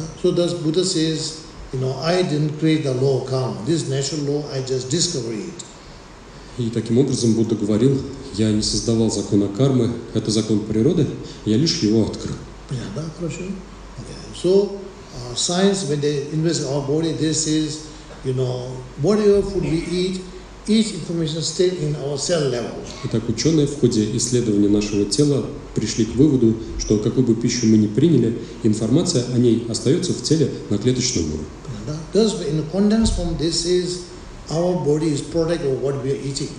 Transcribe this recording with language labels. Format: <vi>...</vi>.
<en>So thus Buddha says, you know, I didn't create the law of karma. This natural law, I just discovered it.</en> <ru>И таким образом Будда говорил, я не создавал закона кармы, это закон природы, я лишь его открыл. Понятно, хорошо.</ru> <en>So, science, when they investigate our body, this is, you know, whatever food we eat, each information stays in our cell level.</en> <ru>Итак, ученые в ходе исследования нашего тела пришли к выводу, что какую бы пищу мы ни приняли, информация о ней остается в теле на клеточном уровне.</ru> <en>Thus, in condensed form, this is our body is product of what we are eating.</en>